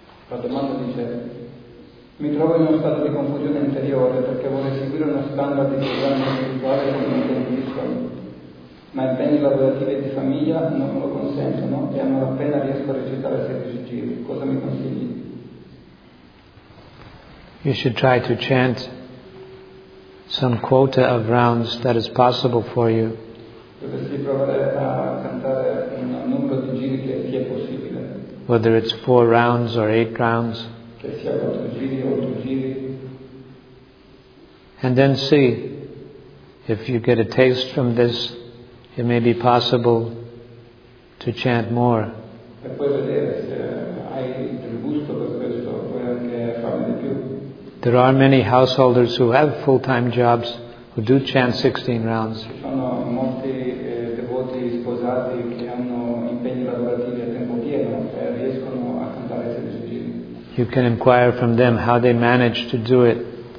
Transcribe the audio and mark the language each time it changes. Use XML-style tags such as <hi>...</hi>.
<it>Padamanda dice: mi trovo in uno stato di confusione interiore perché vorrei seguire uno standard di programma spirituale come intendisco. ma i beni lavorativi di famiglia non lo consentono e non appena riesco a recitare 16 giri. Cosa mi consigli?</it> <en>You should try to chant some quota of rounds that is possible for you.</en> <it>Dovresti provare a cantare un numero di giri che ti è possibile.</it> <en>Whether it's 4 rounds or 8 rounds.</en> <it>Che sia 4 giri o 8 giri.</it> <en>And then see if you get a taste from this, it may be possible to chant more.</en> <it>E puoi vedere se hai il gusto per questo, puoi anche farne di più.</it> <en>There are many householders who have full-time jobs who do chant 16 rounds.</en> <it>Ci sono molti devoti sposati che hanno impegni lavorativi a tempo pieno e riescono a cantare 16 giri.</it> <en>You can inquire from them how they manage to do it.</en>